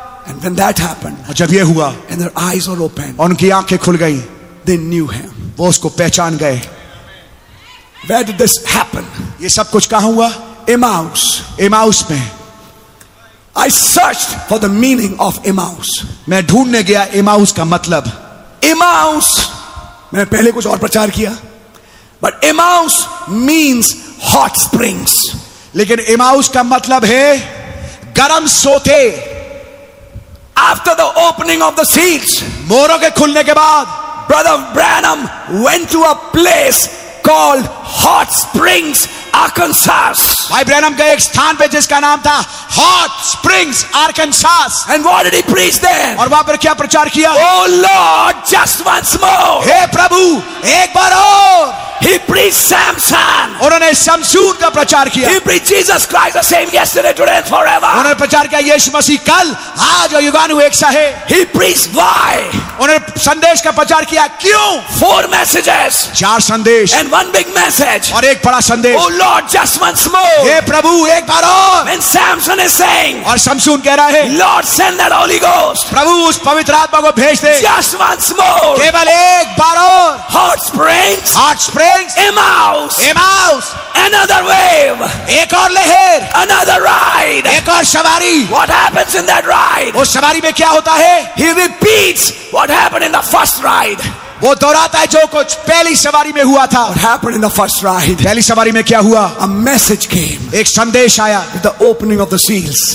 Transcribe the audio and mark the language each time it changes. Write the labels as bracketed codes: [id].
[en] and when that happened, [hi] जब ये हुआ, [en] and their eyes were open, [hi] उनकी आंखें खुल गईं, [en] they knew him, [hi] वो उसको पहचान गए। [en] Where did this happen? [hi] ये सब कुछ कहाँ हुआ? [en] Emmaus. [hi] Emmaus में. [en] I searched for the meaning of Emmaus. [hi] मैं ढूंढने गया Emmaus का मतलब. [en] Emmaus. [hi] मैंने पहले कुछ और प्रचार किया. [en] But Emmaus means hot springs. [hi] लेकिन Emmaus का मतलब है गरम सोते. [en] After the opening of the seals. [hi] मोरों के खुलने के बाद. [en] Brother Branham went to a place called Hot Springs, Arkansas. [hi] भाई ब्रैनम गए एक स्थान पे जिसका नाम था Hot Springs, Arkansas. [en] And what did he preach there? [hi] और वहाँ पर क्या प्रचार किया? [en] Oh Lord, just once more. [hi] हे प्रभु, एक बार और. [en] He preached Samson. [hi] उन्होंने समसून का प्रचार किया. [en] He preached Jesus Christ, the same yesterday, today, and forever. [hi] उन्होंने प्रचार किया यीशु मसीह कल, आज और युगानुयायी है. [en] He preached why? [hi] उन्होंने संदेश का प्रचार किया क्यों? [en] Four messages. [hi] चार संदेश. [en] And one big message. [hi] और एक बड़ा संदेश. [en] Oh Lord, just once more. [hi] हे प्रभु, एक बार और. [en] And Samson is saying. [hi] और समसून कह रहा है. [en] Lord, send that Holy Ghost. [hi] प्रभु, उस पवित्र आत्मा को भेज दे. [en] Just once more. [hi] केवल एक बार और. [en] Hot springs. Hot springs. Emmaus, Emmaus, another wave, [hi] एक और लहर, [en] another ride, [hi] एक और सवारी. [en] What happens in that ride? [hi] उस सवारी में क्या होता है? [en] He repeats what happened in the first ride. [hi] वो दोहराता है जो कुछ पहली सवारी में हुआ था. [en] What happened in the first ride? [hi] पहली सवारी में क्या हुआ? [en] A message came. [hi] एक संदेश आया. [en] With the opening of the seals.